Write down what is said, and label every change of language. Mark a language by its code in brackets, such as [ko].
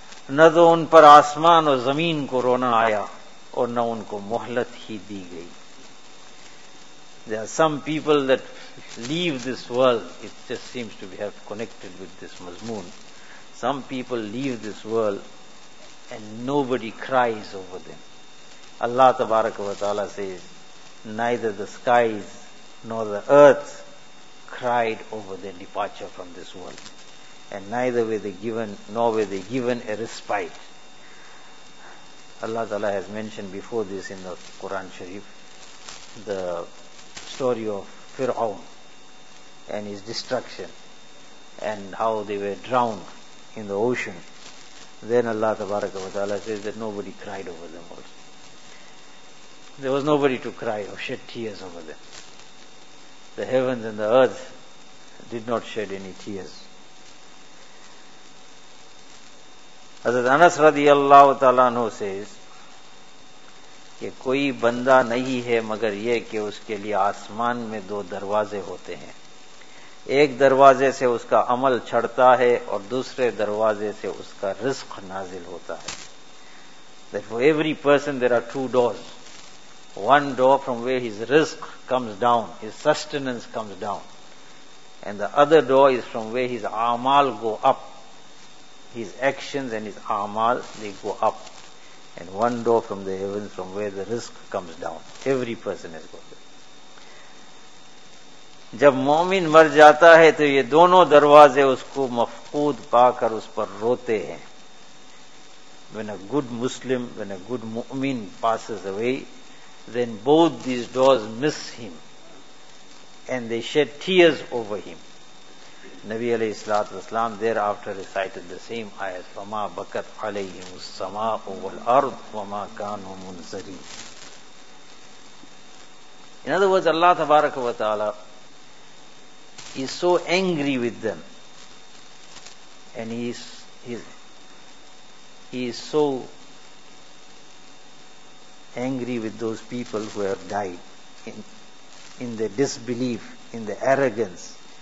[ur] نہ تو ان پر آسمان اور زمین کو رونا آیا اور نہ ان کو مہلت ہی دی گئی. [en] There are some people that leave this world, it just seems to have connected with this mazmoon. Some people leave this world and nobody cries over them. Allah tabaraka wa ta'ala says, neither the skies nor the earth cried over their departure from this world. And neither were they given, nor were they given a respite. Allah Ta'ala has mentioned before this in the Quran Sharif, the story of Fir'aun and his destruction, and how they were drowned in the ocean. Then Allah Tabaraka wa Ta'ala says that nobody cried over them also. There was nobody to cry or shed tears over them. The heavens and the earth did not shed any tears. [ur] حضرت انس رضی اللہ تعالیٰ عنہ [en] says [ur] کہ کوئی بندہ نہیں ہے مگر یہ کہ اس کے لئے آسمان میں دو دروازے ہوتے ہیں. ایک دروازے سے اس کا عمل چھڑتا ہے اور دوسرے دروازے سے اس کا رزق نازل ہوتا ہے. [en] That for every person there are two doors. One door from where his rizq comes down, his sustenance comes down. And the other door is from where his amal go up. His actions and his amal, they go up. And one door from the heavens from where the rizq comes down. Every person has got it. [ur] جب مومن مر جاتا ہے تو یہ دونوں دروازے اس کو مفقود پا کر اس پر روتے ہیں. [en] When a good Muslim, when a good mu'min passes away, then both these doors miss him. And they shed tears over him. Nabi alayhi salatu wasalam thereafter recited the same ayat, [ar] فَمَا بَكَتْ عَلَيْهِمُ السَّمَاءُ وَالْأَرْضُ وَمَا كَانُوا مُنْزَرِينَ. [en] In other words, Allah tabaraka wa ta'ala is so angry with them, and he is so angry with those people who have died in their disbelief, in their arrogance,